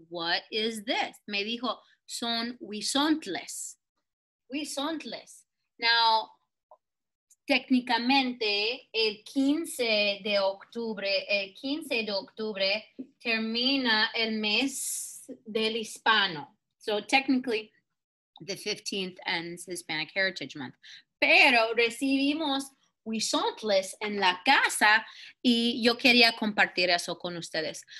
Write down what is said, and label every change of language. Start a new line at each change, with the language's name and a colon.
English: What is this?
Spanish: Me dijo, son huizontles. Huizontles. Now, técnicamente, el 15 de octubre, el 15 de octubre termina el mes del hispano.
English: So, technically, the 15th ends Hispanic Heritage Month.
Spanish: Pero recibimos huizontles en la casa y yo quería compartir eso con ustedes.